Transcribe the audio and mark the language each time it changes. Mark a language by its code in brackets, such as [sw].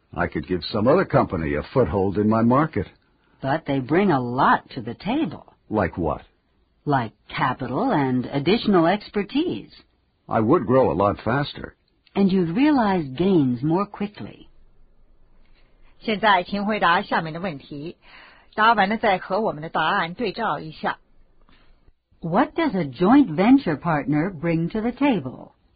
[en] I could give some other company a foothold in my market. But they bring a lot to the table. Like what? Like capital and additional expertise. I would grow a lot faster. And you'd realize gains more quickly. [zh] 现在请回答下面的问题，答完了再和我们的答案对照一下。 [en] What does a joint venture partner bring to the table?